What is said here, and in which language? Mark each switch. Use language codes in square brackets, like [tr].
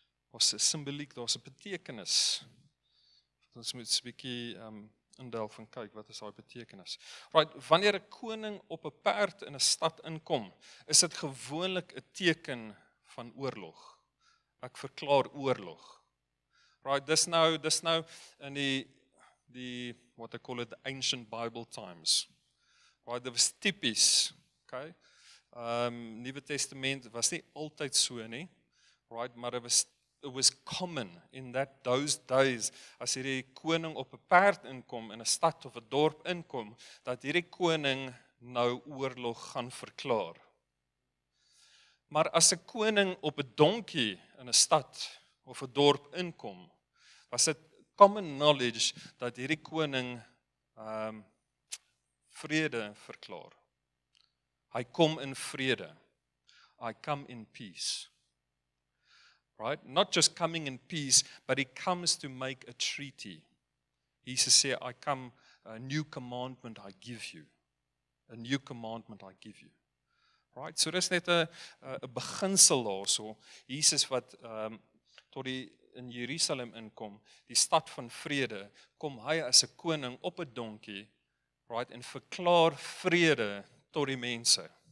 [af] Daar's 'n simboliek, daar's 'n betekenis. Ons moet 'n bietjie in Delf en kyk, wat is daai betekenis? Right, wanneer 'n koning op 'n perd in 'n stad inkom, is dit gewoonlik 'n teken van oorlog. Ek verklaar oorlog. [en] Right, this [af] nou in die [en] what they call it the ancient Bible times. [af] Right, [en] there was [af] typies. Okay. Nieuwe Testament was nie altyd so nie. Right, maar [en] it was common in that those days [af] as hierdie koning op 'n perd inkom in 'n stad of 'n dorp inkom dat hierdie koning nou oorlog gaan verklaar. Maar as 'n koning op 'n donkie in 'n stad of 'n dorp inkom, was dit common knowledge dat hierdie koning vrede verklaar. Hy kom in vrede. [en] I come in peace. [af] Right? [en] Not just coming in peace, but he comes to make a treaty. Jesus said, I come, a new commandment I give you. A new commandment I give you. Right? [af] So dis net 'n beginsel daar. So Jesus wat tot die in Jerusalem inkom, die stad van vrede, kom hy as 'n koning op 'n donkie, right, en verklaar vrede tot die mense.